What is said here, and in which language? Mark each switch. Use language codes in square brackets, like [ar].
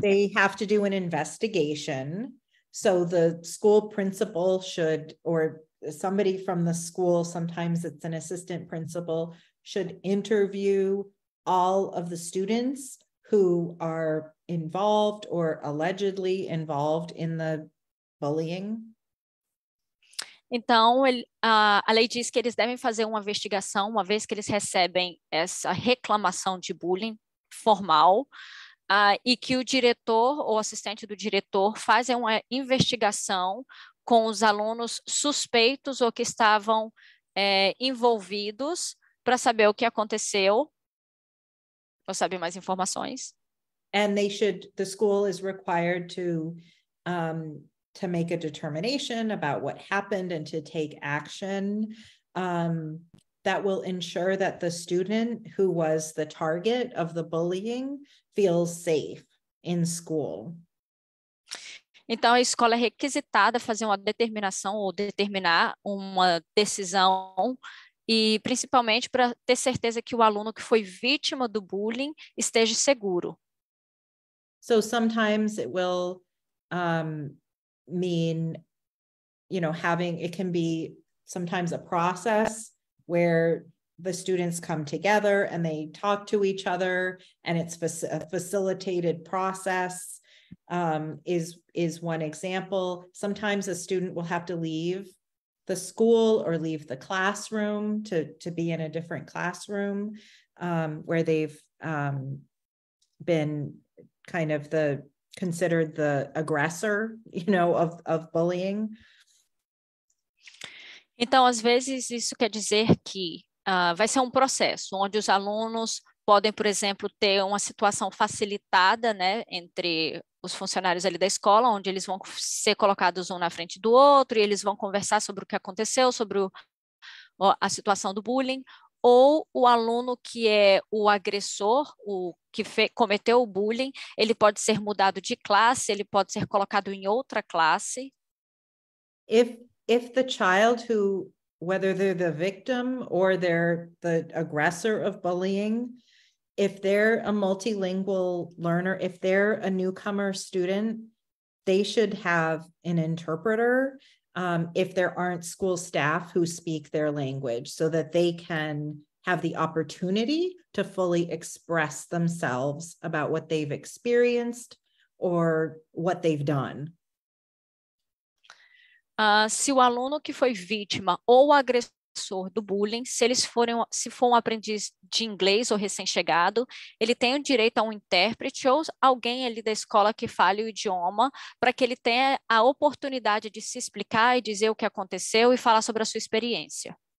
[en] They have to do an investigation, so the school principal should, or somebody from the school, sometimes it's an assistant principal, should interview all of the students who are involved or allegedly involved in the bullying. [pt] Então, a lei diz que eles devem fazer uma investigação uma vez que eles recebem essa reclamação de bullying formal, e que o diretor ou assistente do diretor faz uma investigação com os alunos suspeitos ou que estavam envolvidos para saber o que aconteceu. Ou sabe mais informações? [en] And they should, the school is required to make a determination about what happened and to take action that will ensure that the student who was the target of the bullying feels safe in school. [pt] Então, a escola é requisitada a fazer uma determinação ou determinar uma decisão, e principalmente para ter certeza que o aluno que foi vítima do bullying esteja seguro. [en] So sometimes it will mean, you know, having, it can be sometimes a process where the students come together and they talk to each other, and it's a facilitated process is one example. Sometimes a student will have to leave the school or leave the classroom to be in a different classroom where they've been kind of considered the aggressor, you know, of bullying. [pt] Então, às vezes, isso quer dizer que vai ser um processo onde os alunos podem, por exemplo, ter uma situação facilitada, né, entre os funcionários ali da escola, onde eles vão ser colocados um na frente do outro e eles vão conversar sobre o que aconteceu, sobre a situação do bullying, ou o aluno que é o agressor, o que cometeu o bullying, ele pode ser mudado de classe, ele pode ser colocado em outra classe. [en] If the child who, whether they're the victim or they're the aggressor of bullying, if they're a multilingual learner, if they're a newcomer student, they should have an interpreter if there aren't school staff who speak their language, so that they can have the opportunity to fully express themselves about what they've experienced or what they've done. [pt] Se o aluno que foi vítima ou agressor do bullying, se for um aprendiz de inglês ou recém-chegado, ele tem o direito a um intérprete ou alguém ali da escola que fale o idioma para que ele tenha a oportunidade de se explicar e dizer o que aconteceu e falar sobre a sua experiência.